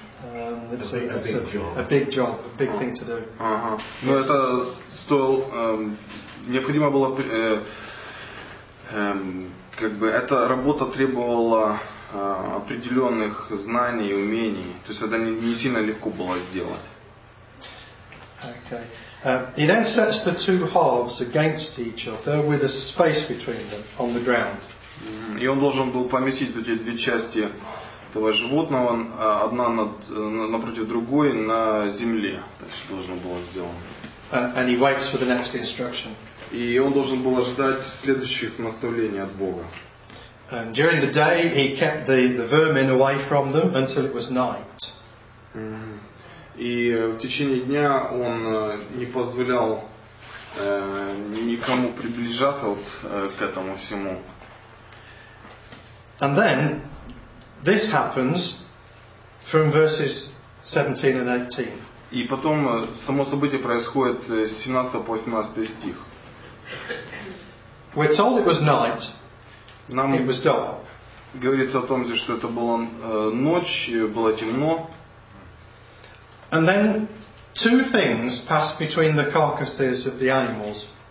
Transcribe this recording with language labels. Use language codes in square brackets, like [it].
[en] Let's see, that's a big thing to do. Ага. [ru] Ну, это стоило, необходимо было, как бы, эта работа требовала определенных знаний и умений. То есть это не сильно легко было сделать. Okay. [en] He then sets the two halves against each other with a space between them on the ground. [ru] И он должен был поместить эти две части этого животного, одна напротив другой, на земле. Так все должно было сделано. [en] And he waits for the next instruction. [ru] И он должен был ожидать следующих наставлений от Бога. [en] During the day he kept the vermin away from them until it was night. [ru] И в течение дня он не позволял никому приближаться вот к этому всему. [en] And then this happens from verses 17 and 18. [ru] И потом само событие происходит с 17 по 18 стих. [en] We're told it was night. [ru] Нам [en] it was dark. [ru] Говорится о том, что это была ночь, было темно. [en] And then two things pass between the carcasses of the animals.